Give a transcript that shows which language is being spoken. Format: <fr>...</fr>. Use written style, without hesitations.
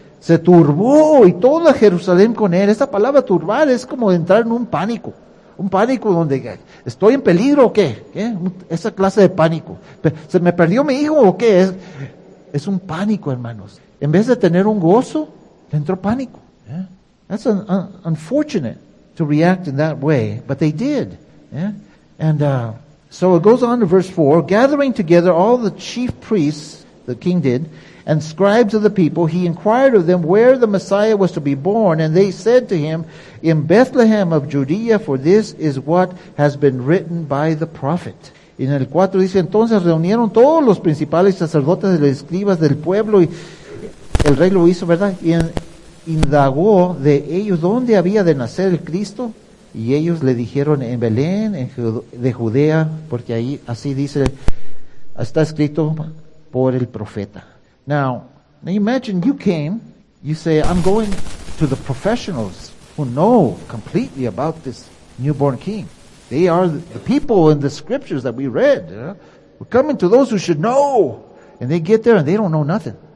<es>Se turbó y toda Jerusalén con él. Esta palabra turbar es como entrar en un pánico. Un pánico donde estoy en peligro o qué. ¿Qué? Esa clase de pánico. ¿Se me perdió mi hijo o qué? Es un pánico, hermanos. En vez de tener un gozo, entró pánico. ¿Eh?</es> <en>That's unfortunate to react in that way, but they did. ¿Eh? And so it goes on to verse 4. Gathering together all the chief priests, the king did, and scribes of the people, he inquired of them where the Messiah was to be born, and they said to him, in Bethlehem of Judea, for this is what has been written by the prophet.</en> <es>Y en el 4 dice, entonces reunieron todos los principales sacerdotes y los escribas del pueblo, y el rey lo hizo, ¿verdad? Y indagó de ellos dónde había de nacer el Cristo, y ellos le dijeron, en Belén, de Judea, porque ahí, así dice, está escrito por el profeta.</es> <en>Now imagine you came, you say, I'm going to the professionals who know completely about this newborn king. They are the people in the scriptures that we read. You know? We're coming to those who should know. And they get there and they don't know nothing.</en>